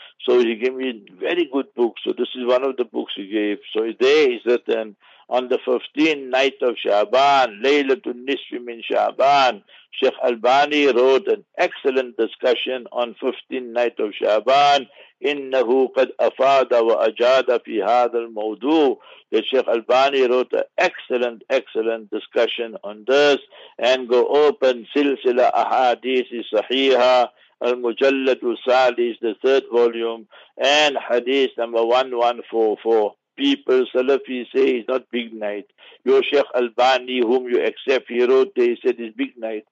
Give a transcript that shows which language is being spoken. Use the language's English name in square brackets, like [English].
[English] So he gave me very good books. So this is one of the books he gave. So there is written, on the 15th night of Sha'ban, Laylatul Nisfi min Sha'ban, Sheikh Albani wrote an excellent discussion on 15th night of Sha'ban [Arabic] إنه قد أفاد وأجاد في هذا الموضوع. [English] The Sheikh Albani wrote an excellent, excellent discussion on this and go open سلسلة أحاديث صحيحة المجلد السادس, the third volume, and حديث number 1144. People, Salafi say it's not big night. Your Sheikh Albani, whom you accept, he wrote, they said it's big night.